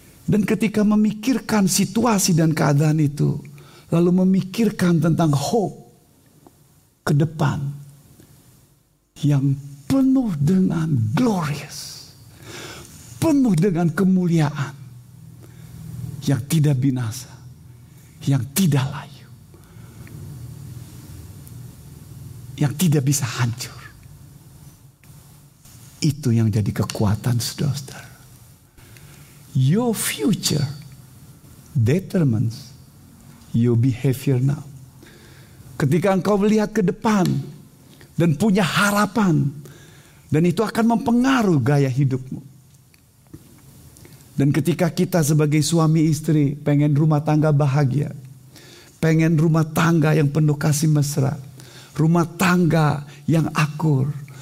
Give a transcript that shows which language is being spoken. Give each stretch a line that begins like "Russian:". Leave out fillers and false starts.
Indonesian: Dan ketika memikirkan situasi dan keadaan itu, lalu memikirkan tentang hope ke depan yang penuh dengan glorious, penuh dengan kemuliaan, yang tidak binasa, yang tidak layu, yang tidak bisa hancur. Itu yang jadi kekuatan, saudara-saudara.
English: Your future determines your behavior now.
Indonesian: Ketika engkau melihat ke depan dan punya harapan, dan itu akan mempengaruhi gaya hidupmu. Dan ketika kita sebagai suami istri pengen rumah tangga bahagia, pengen rumah tangga yang penuh kasih mesra, rumah tangga yang akur.